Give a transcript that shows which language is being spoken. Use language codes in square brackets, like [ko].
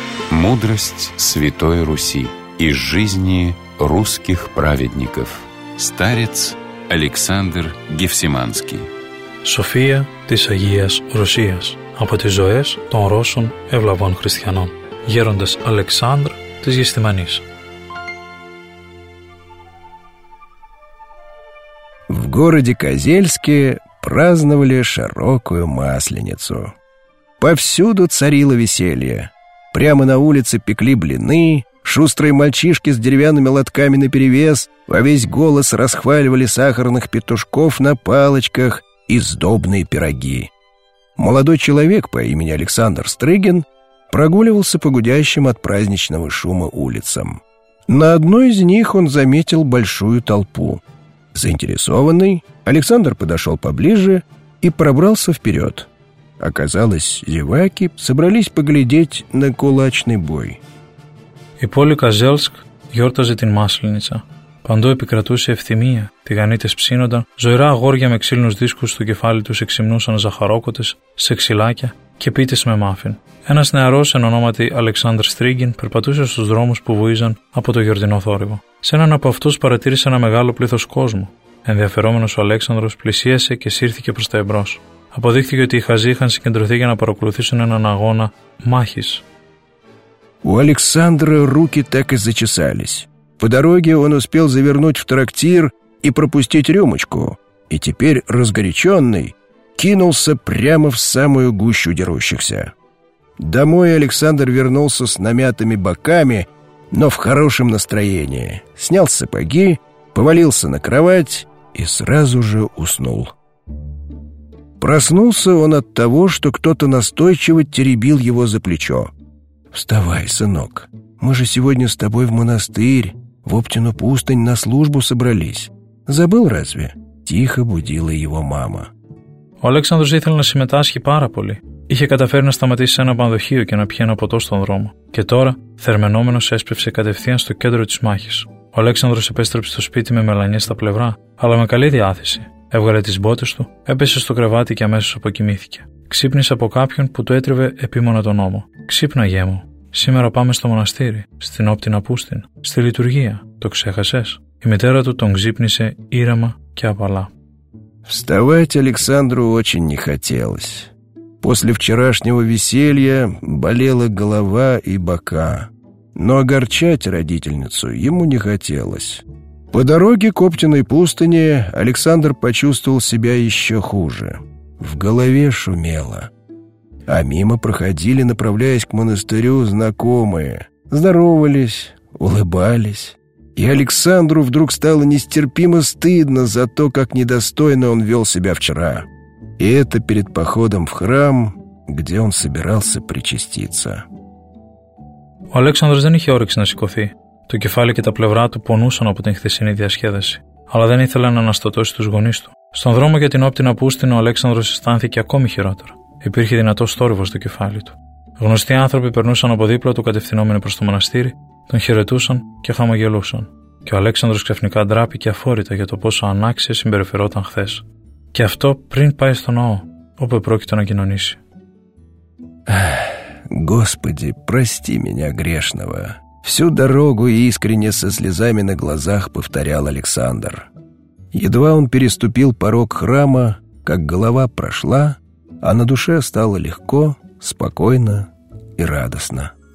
[ru] Мудрость Святой Руси из жизни русских праведников. Старец Александр Гефсиманский. [el] София της Агίας Ρωσίας. Από τις ζωές των Ρώσων ευλαβών χριστιανών. Γέροντας Αλεξάνδρ της Γεστημανής. [ru] В городе Козельске праздновали широкую масленицу. Повсюду царило веселье. Прямо на улице пекли блины, шустрые мальчишки с деревянными лотками наперевес во весь голос расхваливали сахарных петушков на палочках и сдобные пироги. Молодой человек по имени Александр Стрыгин прогуливался по гудящим от праздничного шума улицам. На одной из них он заметил большую толпу. Заинтересованный, Александр подошел поближе и пробрался вперед. Оказалось, зеваки собрались поглядеть на кулачный бой. [el] Η πόλη Καζέλσκ γιόρταζε την Масленица. Παντού επικρατούσε ευθυμία. Τηγανίτες ψήνονταν, ζωηρά αγόρια με ξύλινους δίσκους στο κεφάλι τους εξυμνούσαν ζαχαρόκοτες σε ξυλάκια και πίτες με μάφιν. Ένας νεαρός εν ονόματι Αλεξάνδρ Στρίγκιν περπατούσε στους δρόμους που βούιζαν από το γιορτινό θόρυβο. Σε έναν από αυτούς παρατήρησε ένα μεγάλο πλήθος κόσμου. Ενδιαφερόμενος ο Αλέξανδρος πλησίασε και σύρθηκε προς τα εμπρός. Αποδείχθηκε ότι οι χαζοί είχαν συγκεντρωθεί για να παρακολουθήσουν έναν αγώνα μάχης. Ο Αλεξάνδρος ρούκι τάκες ζεσάλης. [ru] По дороге он успел завернуть в трактир и пропустить рюмочку, и теперь разгоряченный кинулся прямо в самую гущу дерущихся. Домой Александр вернулся с намятыми боками, но в хорошем настроении. Снял сапоги, повалился на кровать и сразу же уснул. Проснулся он от того, что кто-то настойчиво теребил его за плечо. «Вставай, сынок, мы же сегодня с тобой в монастырь. В Оптину пустынь на службу собрались. Забыл разве?» Тихо будила его мама. [el] Ο Αλέξανδρος ήθελε να συμμετάσχει πάρα πολύ. Είχε καταφέρει να σταματήσει σε ένα πανδοχείο και να πιει ένα ποτό στον δρόμο. Και τώρα, θερμενόμενος, έσπευσε κατευθείαν στο κέντρο της μάχης. Ο Αλέξανδρος επέστρεψε στο σπίτι με μελανιές στα πλευρά, αλλά με καλή διάθεση. Έβγαλε τις μπότες του, έπεσε στο κρεβάτι και αμέσως αποκοιμήθηκε. Ξύπνησε από κάποιον που του έτριβε επίμονα τον ώμο. «Ξύπνα, γιέ μου. Σήμερα πάμε στο μοναστήρι, στην Όπτινα Πούστην, στη λειτουργία. Το ξέχασες?» Η μητέρα του τον ξύπνησε ήρεμα και απαλά. [ru] Вставать Александру очень не хотелось. После вчерашнего веселья болела голова и бока. Но огорчать родительницу ему не хотелось. По дороге к Оптиной пустыне Александр почувствовал себя еще хуже. В голове шумело. А мимо проходили, направляясь к монастырю, знакомые. Здоровались, улыбались. И Александру вдруг стало нестерпимо стыдно за то, как недостойно он вел себя вчера. И это перед походом в храм, где он собирался причаститься. [el] Ο Αλέξανδρος δεν είχε όρεξη να σηκωθεί. Το κεφάλι και τα πλευρά του πονούσαν από την χθεσινή διασκέδαση. Αλλά δεν ήθελε να αναστατώσει τους γονείς του. Στον δρόμο για την Όπτινα Πούστινο, ο Αλέξανδρος αισθάνθηκε ακόμη χειρότερα. Υπήρχε δυνατός θόρυβος στο κεφάλι του. Γνωστοί άνθρωποι περνούσαν από δίπλα του κατευθυνόμενοι προς το μοναστήρι, τον χαιρετούσαν και χαμογελούσαν. Και ο Αλέξανδρος ξαφνικά ντράπηκε αφόρητα για το πόσο ανάξια συμπεριφερόταν χθες. Και αυτό πριν πάει στο ναό, όπου επρόκειτο να κοινωνήσει. [ru] Господи, прости меня грешного. Всю дорогу искренне со слезами на глазах повторял Александр. Едва он переступил порог храма, как голова прошла, а на душе стало легко, спокойно и радостно.